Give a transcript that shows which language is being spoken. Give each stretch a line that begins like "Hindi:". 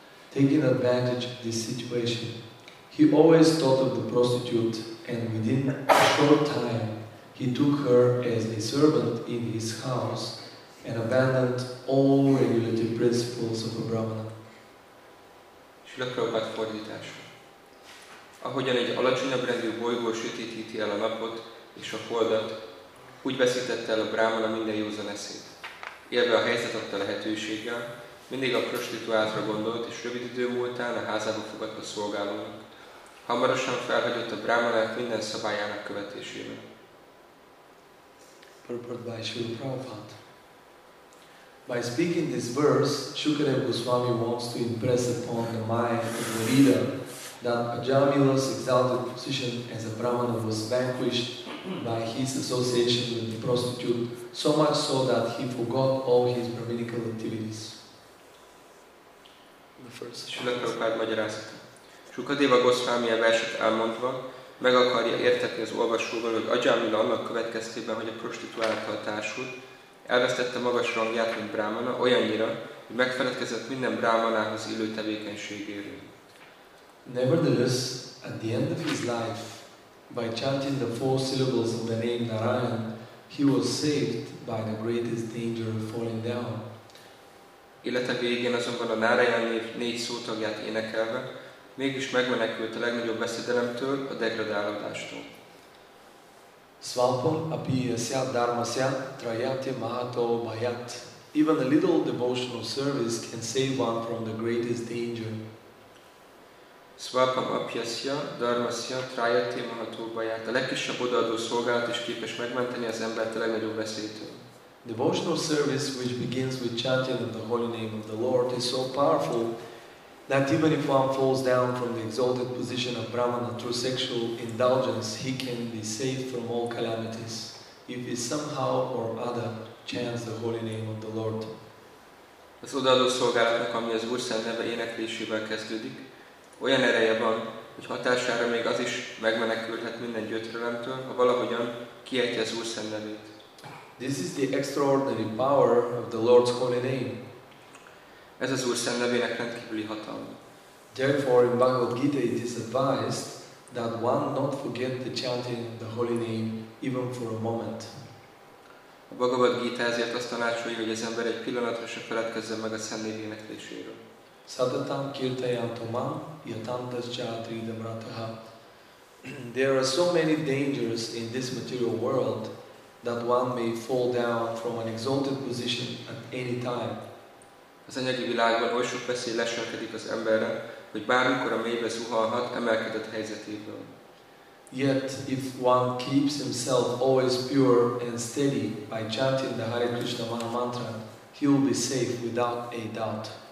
English: Taking advantage of this situation, he always thought of the prostitute, and within a short time he took her as a servant in his house and abandoned all regulative principles of a Brahmana.
Hungarian: Srila Prabhupada fordítása. Ahogyan egy alacsonyabb rendű bolygó sötétíti el a napot és a holdat, úgy veszítette el a brámana minden józan eszét. Élve a helyzet adta lehetőséggel, mindig a prostituáltra gondolt, és rövid idő múltán a házába fogadta szolgálónak. Hamarosan felhagyott a brámanát minden szabályának követésében.
English: Purport by Srila Prabhupada. By speaking this verse, Shukadeva Goswami wants to impress upon the mind of the reader that Ajamila's exalted position as a Brahmana was vanquished by his association with the prostitute, so much so that he forgot all his brahminical activities.
Hungarian: The first Srila Prabhupada magyarázata. Shukadeva Goswami a verset elmondva meg akarja értetni az olvasóval, hogy Ajamila annak következtében, hogy a prostituáltal társult, elvesztette magas rangját, mint Brahmana, olyannyira, hogy megfeledkezett minden Brahmanához illő tevékenységéről.
English: Nevertheless, at the end of his life, by chanting the four syllables of the name Narayan, he was saved by the greatest danger of falling down.
Hungarian: Élete végén azonban a Narayan név négy szótagját énekelve, mégis megmenekült a legnagyobb veszedelemtől, a degradálódástól.
Sanskrit: Svalpam api asya dharmasya trayate mahato bhayat.
English: Even a little devotional service can save one from the greatest danger.
Sanskrit: Svapam apyasya dharmasya trayate mahato bhayat.
Hungarian: A legkisebb odaadó szolgálat is képes megmenteni az embert a legnagyobb veszélytől.
English: Devotional service which begins with chanting of the holy name of the Lord is so powerful that even if one falls down from the exalted position of Brahmana through sexual indulgence, he can be saved from all calamities if he somehow or other chants the holy name of the Lord.
Hungarian: Az odaadó szolgálatnak, ami az Úr Szent neve éneklésével kezdődik, olyan ereje van, hogy hatására még az is megmenekülhet minden gyötrelemtől, ha valahogyan kiejti az Úr Szent nevét.
English: This is the extraordinary power of the Lord's holy name.
Hungarian: Ez az Úr Szent nevének rendkívüli hatalma.
English: Therefore, in Bhagavad Gita it is advised that one not forget the chanting of the holy name even for a moment.
Hungarian: A Bhagavad Gita ezért azt tanácsolja, hogy az ember egy pillanatra se feledkezzen meg a Szent név énekléséről.
Sanskrit: Satatam kirtayantumam yatantas chatridam rataha.
English: There are so many dangers in this material world that one may fall down from an exalted position at any time.
Hungarian: Az anyagi világban oly sok veszély leselkedik az emberre, hogy bármikor a mélybe zuhalhat emelkedett helyzetéből.
English: Yet if one keeps himself always pure and steady by chanting the Hare Krishna Maha Mantra, he will be safe without a doubt.